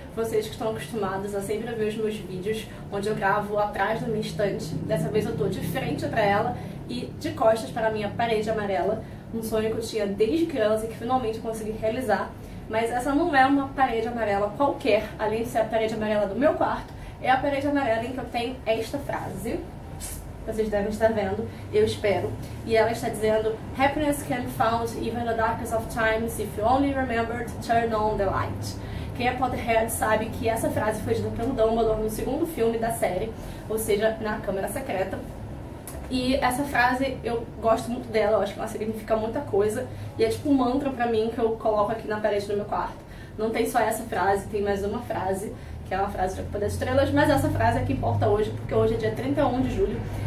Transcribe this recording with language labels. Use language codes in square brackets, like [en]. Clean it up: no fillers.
[pt] Vocês que estão acostumados a sempre ver os meus vídeos onde eu gravo atrás da minha estante, dessa vez eu estou de frente para ela e de costas para a minha parede amarela, um sonho que eu tinha desde criança e que finalmente consegui realizar. Mas essa não é uma parede amarela qualquer, além de ser a parede amarela do meu quarto, é a parede amarela em que eu tenho esta frase. Vocês devem estar vendo, eu espero. E ela está dizendo: [en] Happiness can be found even in the darkest of times if you only remember to turn on the light. [pt] Quem é Potterhead sabe que essa frase foi dita pelo Dumbledore no segundo filme da série, ou seja, na Câmara Secreta. E essa frase eu gosto muito dela, eu acho que ela significa muita coisa. E é tipo um mantra pra mim que eu coloco aqui na parede do meu quarto. Não tem só essa frase, tem mais uma frase, que é uma frase da Copa das Estrelas, mas essa frase é que importa hoje, porque hoje é dia 31 de julho.